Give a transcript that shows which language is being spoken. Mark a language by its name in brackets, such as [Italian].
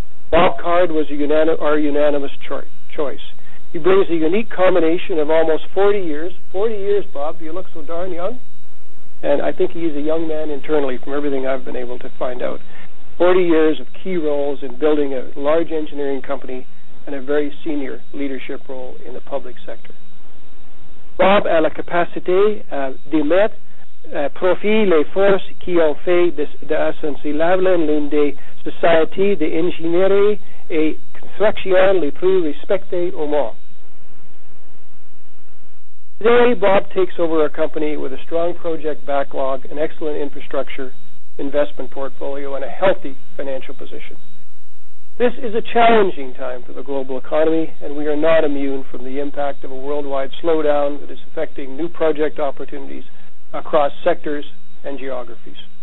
[English] Bob Card was our unanimous choice. He brings a unique combination of almost 40 years. 40 years, Bob, you look so darn young. And I think he's a young man internally from everything I've been able to find out. 40 years of key roles in building a large engineering company and a very senior leadership role in the public sector. [French] Bob a la capacité de mettre profit les forces qui ont fait de Ascensilable l'une des sociétés d'ingénierie et construction les plus respectées au monde. [English] Today, Bob takes over a company with a strong project backlog, an excellent infrastructure, investment portfolio, and a healthy financial position. This is a challenging time for the global economy, and we are not immune from the impact of a worldwide slowdown that is affecting new project opportunities across sectors and geographies.